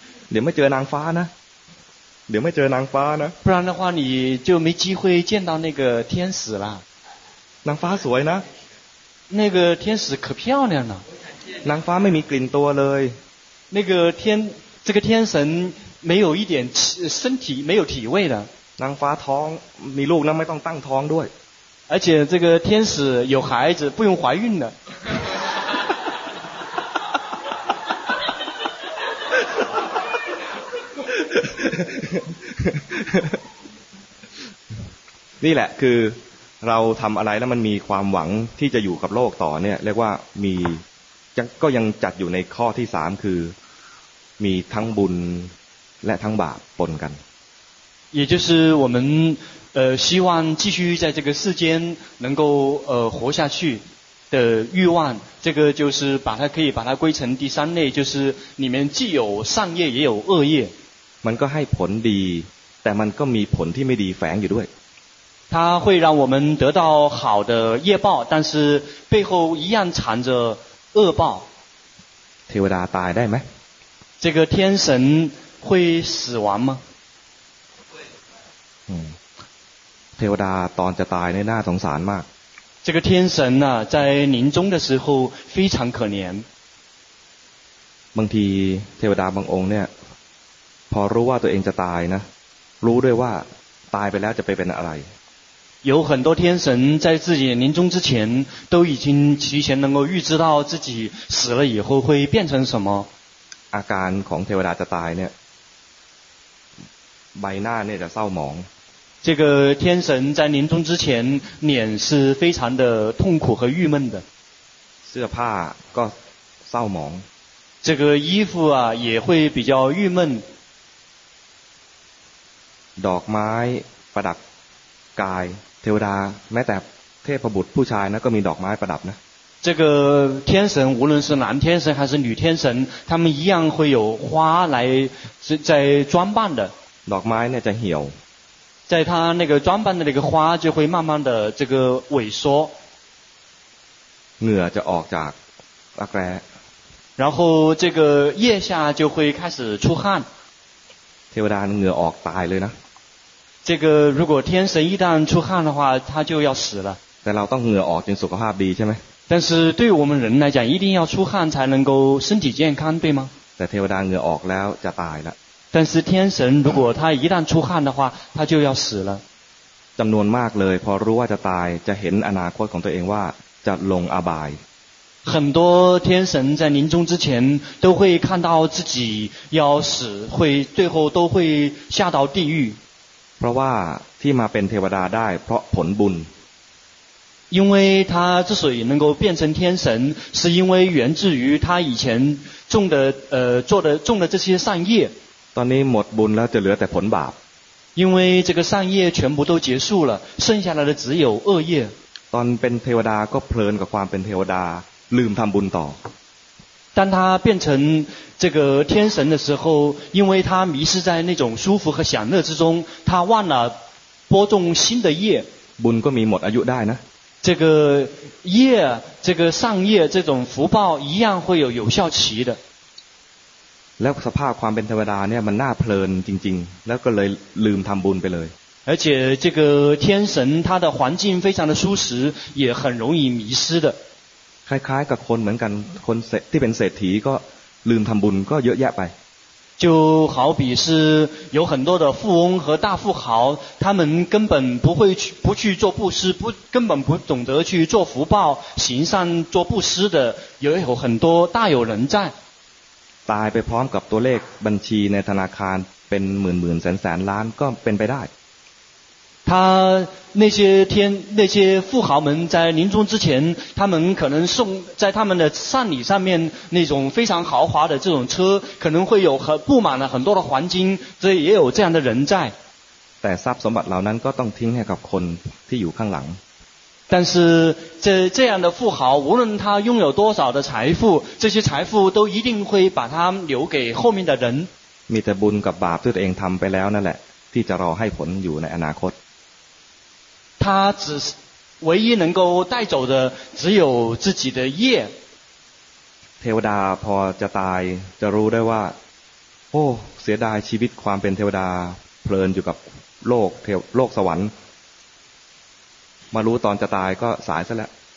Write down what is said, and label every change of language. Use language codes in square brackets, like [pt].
[th] เดี๋ยวไม่เจอนางฟ้านะเดี๋ยวไม่เจอนางฟ้านะ [zh] 不然的话你就没机会见到那个天使了 [th] นางฟ้าสวยนะ [zh] 那个天使可漂亮了 [th] นางฟ้าไม่มีกลิ่นตัวเลย [zh] 那个天这个天神没有一点身体没有体味的 [th] นางฟ้าท้องมีลูกนะไม่ต้องตั้งท้องด้วย [zh] 而且这个天使有孩子不用怀孕的 [th] นี่แหละคือเราทำอะไรแล้วมันมีความหวังที่จะอยู่กับโลกต่อเนี่ยเรียกว่ามีก็ยังจัดอยู่ในข้อที่สามคือมีทั้งบุญและทั้งบาปปนกัน [zh] 也就是我们希望继续在这个世间能够活下去的欲望这个就是把它可以把它归成第三类就是里面既有善业也有恶业 [th] มันก็ให้ผลดีแต่มันก็มีผลที่ไม่ดีแฝงอยู่ด้วย [zh] 它会让我们得到好的业报但是背后一样藏着恶报 [th] เทวดาตายได้ไหม [zh] 这个天神会死亡吗 [th] เทวดาตอนจะตายในหน้าสงสารมาก [zh] 这个天神啊在临终的时候非常可怜 [th] บางทีเทวดาบางองค์เนี่ยพอรู้ว่าตัวเองจะตายนะรู้ด้วยว่าตายไปแล้วจะไปเป็นอะไร [zh] 有很多天神在自己临终之前都已经提前能够预知到自己死了以后会变成什么 [th] อาการของเทวดาจะตายเนี่ยใบหน้าเนี่ยจะเศร้าหมอง [zh] 这个天神在临终之前脸是非常的痛苦和郁闷的 [th] เสื้อผ้าก็เศร้าหมอง [zh] 这个衣服啊也会比较郁闷 [th] ดอกไม้ประดับกายเทวดาแม้แต่เทพบุตรผู้ชายนะก็มีดอกไม้ประดับนะ [zh] 这个天神无论是男天神还是女天神他们一样会有花来在装扮的 [th] ดอกไม้เนี่ยจะเหี่ยว [zh] 在他那个装扮的那个花就会慢慢的这个萎缩 [th] เหงื่อจะออกจากรักแร้ [zh] 然后这个腋下就会开始出汗 [th] เทวดาเหงื่อออกตายเลยนะ [zh] 这个如果天神一旦出汗的话他就要死了 [th] แต่เราต้องเหงื่อออกจนสุขภาพดีใช่ไหม [zh] 但是对我们人来讲一定要出汗才能够身体健康对吗 [th] แต่เทวดาเหงื่อออกแล้วจะตายละ [zh] 但是天神如果他一旦出汗的话他就要死了 [th] จำนวนมากเลยพอรู้ว่าจะตายจะเห็นอนาคตของตัวเองว่าจะลงอบาย [zh] 很多天神在临终之前都会看到自己要死会最后都会下到地狱 [th] เพราะว่าที่มาเป็นเทวดาได้เพราะผลบุญ [zh] 因为他之所以能够变成天神是因为源自于他以前种的种的这些善业 [th] ตอนนี้หมดบุญแล้วจะเหลือแต่ผลบาป [zh] 因为这个善业全部都结束了剩下来的只有恶业 [th] ตอนเป็นเทวดาก็เพลินกับความเป็นเทวดาลืมทำบุญต่อ [zh] 当他变成这个天神的时候因为他迷失在那种舒服和享乐之中他忘了播种新的业 [th] บุญก็มีหมดอายุได้นะ [zh] 这个业这个善业这种福报一样会有有效期的 [th] แล้วสภาพความเป็นเทวดาเนี่ยมันน่าเพลินจริงๆแล้วก็เลยลืมทำบุญไปเลย [zh] 而且这个天神他的环境非常的舒适也很容易迷失的 [th] คล้ายๆกับคนเหมือนกันคนที่เป็นเศรษฐีก็ลืมทำบุญก็เยอะแยะไป [zh] 就好比是有很多的富翁和大富豪他们根本不会去不去做布施不根本不懂得去做福报行善做布施的也有很多大有人在 [th] ตายไปพร้อมกับตัวเลขบัญชีในธนาคารป็นหมื่นหมื่นแสนแสนล้านก็เป็นไปได้ [zh] 他那些天那些富豪们在临终之前他们可能送在他们的丧礼上面那种非常豪华的这种车可能会有布满了很多的黄金所以也有这样的人在 [th] แต่ทรัพย์สมบัติเหล่านั้นก็ต้องทิ้งให้กับคนที่อยู่ข้างหลัง [zh] 但是这样的富豪无论他拥有多少的财富这些财富都一定会把他留给后面的人 [th] มีแต่บุญกับบาปที่ตัวเองทำไปแล้วนั่นแหละที่จะรอให้ผลอยู่ในอนาคต [zh] 他只唯一能够带走的只有自己的业 [th] เทวดาพอจะตายจะรู้ได้ว่าโอ้เสียดายชีวิตความเป็นเทวดาเพลินอยู่กับโลกเทวโลกสวรรค์มารู้ตอนจะตายก็สายซะแล้ว